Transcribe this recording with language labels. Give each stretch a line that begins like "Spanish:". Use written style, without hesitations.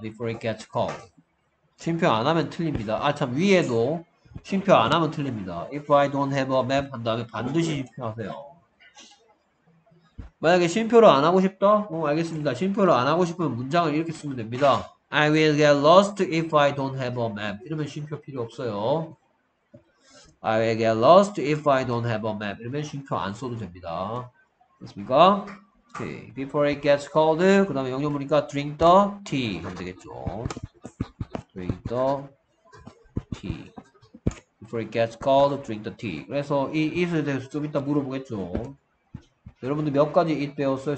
English: before it gets call.
Korean: 쉼표 안 하면 틀립니다. 아 참 위에도 쉼표 안 하면 틀립니다.
English: if I don't have a map
Korean: 한 다음에 반드시 쉼표 하세요. 만약에 쉼표를 안 하고 싶다? 알겠습니다. 쉼표를 안 하고 싶으면 문장을 이렇게 쓰면 됩니다.
English: I will get lost if I don't have a map.
Korean: 이러면 쉼표 필요 없어요.
English: I will get lost if I don't have a map.
Korean: 이러면 쉼표 안 써도 됩니다. 됐습니까?
English: Okay. Before it gets cold,
Korean: 그 다음에 영역문이니까
English: drink the tea.
Korean: 하면 되겠죠.
English: Drink the tea. Before it gets cold, drink the tea.
Korean: 그래서 이 it에 대해서 좀 이따 물어보겠죠. 여러분들 몇 가지 it 배웠어요?